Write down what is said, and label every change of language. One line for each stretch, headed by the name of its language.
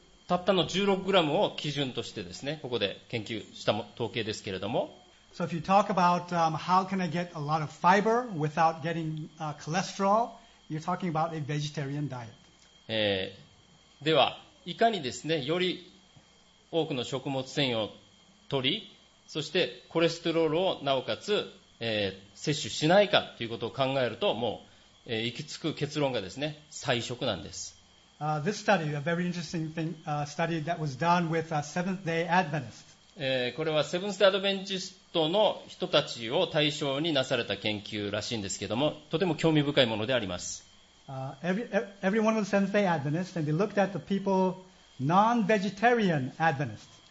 Japanese: たったの16グラムを基準としてですね、ここで研究した統計ですけれども。
English: So if you talk about how can I get a lot of fiber without getting cholesterol, you're talking about a vegetarian diet.
Japanese: では、いかにですね、より多くの食物繊維を取り、そしてコレステロールをなおかつ、摂取しないかということを考えると、もう行き着く結論がですね、菜食なんです。
English: This study, a very interesting thing, study that was done with Seventh-day Adventists.
Japanese: これはセブンス・デイ・アドベンチストの人たちを対象になされた研究らしいんですけども、とても興味深いものであります。
English: Every one of the Seventh-day Adventists, and they looked at the people non-vegetarian Adventists.